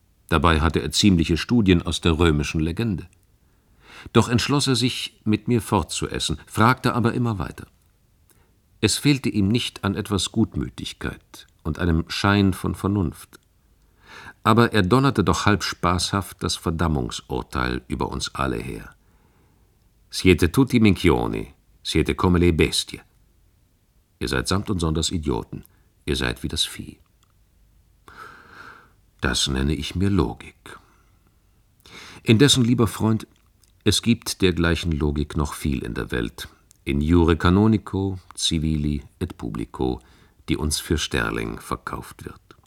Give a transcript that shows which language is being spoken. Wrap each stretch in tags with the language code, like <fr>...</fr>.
<de>Dabei hatte er ziemliche Studien aus der römischen Legende. Doch entschloss er sich, mit mir fortzuessen, fragte aber immer weiter. Es fehlte ihm nicht an etwas Gutmütigkeit und einem Schein von Vernunft. Aber er donnerte doch halb spaßhaft das Verdammungsurteil über uns alle her.</de> <it>Siete tutti minchioni, siete come le bestie.</it> <de>Ihr seid samt und sonders Idioten, ihr seid wie das Vieh. Das nenne ich mir Logik. Indessen, lieber Freund, es gibt dergleichen Logik noch viel in der Welt,</de> <la>in Jure Canonico, Civili et Publico,</la> <de>die uns für Sterling verkauft wird.</de>